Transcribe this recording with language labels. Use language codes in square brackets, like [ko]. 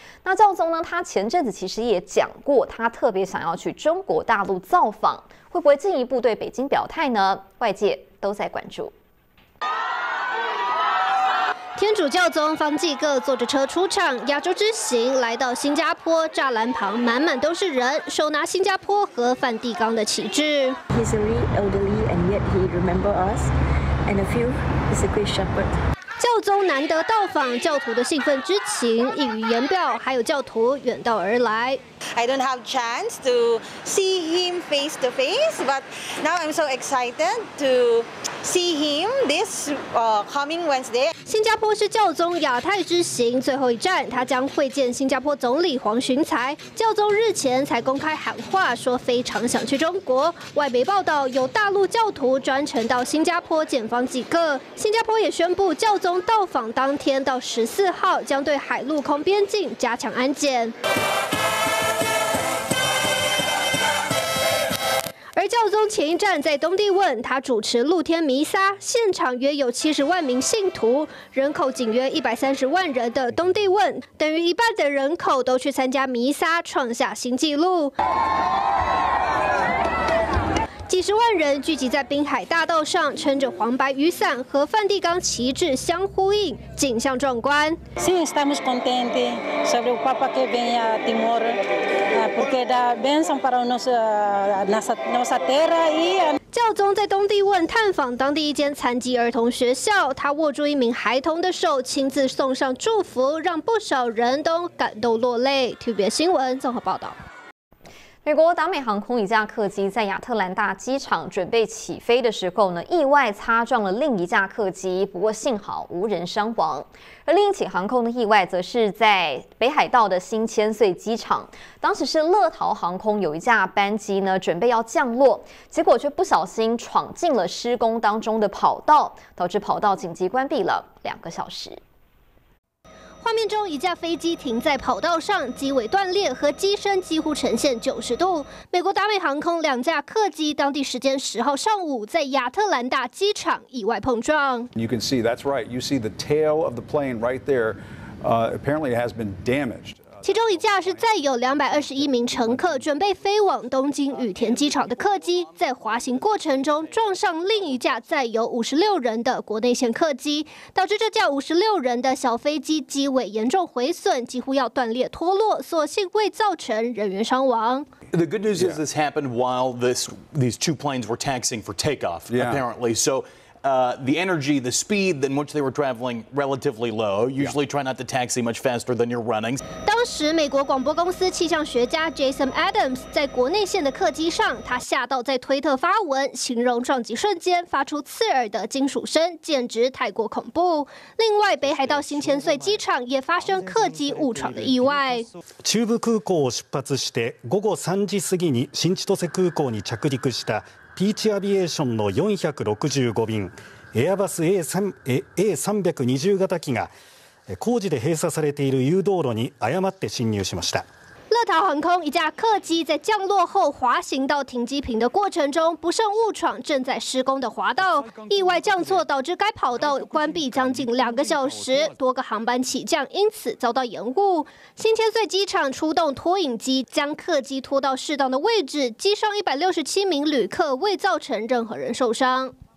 [zh] 那教宗呢，他前阵子其实也讲过，他特别想要去中国大陆造访，会不会进一步对北京表态呢？外界都在关注。天主教宗方济各坐着车出场，亚洲之行来到新加坡，栅栏旁满满都是人，手拿新加坡和梵蒂冈的旗帜。 [en] He's really elderly and yet he remembers us, and a few is a great shepherd. [zh] 教宗难得到访，教徒的兴奋之情溢于言表，还有教徒远道而来。 [en] I don't have chance to see him face to face, but now I'm so excited to see him this coming Wednesday. [zh] 新加坡是教宗亚太之行最后一站，他将会见新加坡总理黄循财。教宗日前才公开喊话，说非常想去中国。外媒报道有大陆教徒专程到新加坡见方济各，新加坡也宣布教。从到访当天到14号，将对海陆空边境加强安检。而教宗前一站在东帝汶，他主持露天弥撒，现场约有70万名信徒，人口仅约130万人的东帝汶，等于一半的人口都去参加弥撒，创下新纪录。几十万人聚集在滨海大道上，撑着黄白雨伞，和梵蒂冈旗帜相呼应，景象壮观。 [es] Sí, estamos contentos sobre el Papa que viene a Timor, porque [pt] da bênção para nossa terra e [es] a... [zh] 教宗在东帝汶探访当地一间残疾儿童学校，他握住一名孩童的手，亲自送上祝福，让不少人都感动落泪。 TVBS 新闻综合报道。美国达美航空一架客机在亚特兰大机场准备起飞的时候呢，意外擦撞了另一架客机，不过幸好无人伤亡。而另一起航空的意外则是在北海道的新千岁机场，当时是乐桃航空有一架班机呢准备要降落，结果却不小心闯进了施工当中的跑道，导致跑道紧急关闭了两个小时。画面中，一架飞机停在跑道上，机尾断裂和机身几乎呈现90度。美国达美航空两架客机，当地时间10号上午在亚特兰大机场意外碰撞。 [en] You can see that's right. You see the tail of the plane right there. Apparently, it has been damaged. [zh] 其中一架是载有221名乘客准备飞往东京羽田机场的客机，在滑行过程中撞上另一架载有56人的国内线客机，导致这架56人的小飞机机尾严重毁损，几乎要断裂脱落，所幸未造成人员伤亡。 [en] The good news is this happened while these two planes were taxiing for takeoff. Apparently, so. The energy, the speed in which they were traveling, relatively low. Usually, try not to taxi much faster than you're running. [zh] 当时，美国广播公司气象学家 Jason Adams 在国内线的客机上，他吓到在推特发文，形容撞击瞬间发出刺耳的金属声，简直太过恐怖。另外，北海道新千岁机场也发生客机误闯的意外。 [ja] 中部空港を出発して午後3時過ぎに新千歳空港に着陸した。ピーチアビエーションの465便エアバス A320 型機が工事で閉鎖されている誘導路に誤って進入しました。 [zh] 乐桃航空一架客机在降落后滑行到停机坪的过程中，不慎误闯正在施工的滑道，意外降错导致该跑道关闭将近两个小时，多个航班起降因此遭到延误。新千岁机场出动拖引机将客机拖到适当的位置，机上167名旅客未造成任何人受伤。